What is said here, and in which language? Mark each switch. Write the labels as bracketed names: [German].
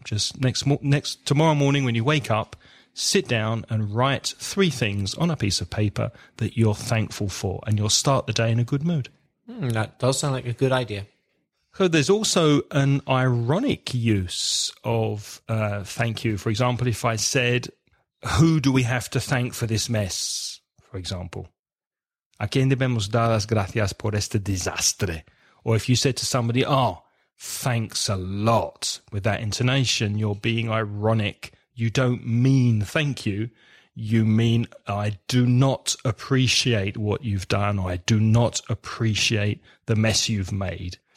[English] Just tomorrow morning when you wake up, sit down and write three things on a piece of paper that you're thankful for, and you'll start the day in a good mood. That does sound like a good idea. So there's also an ironic use of thank you. For example, if I said, who do we have to thank for this mess? For example, [Spanish] ¿a quién debemos dar las gracias por este desastre? [English] Or if you said to somebody, oh, thanks a lot, with that intonation, you're being ironic. You don't mean thank you. You mean, I do not appreciate what you've done, or I do not appreciate the mess you've made.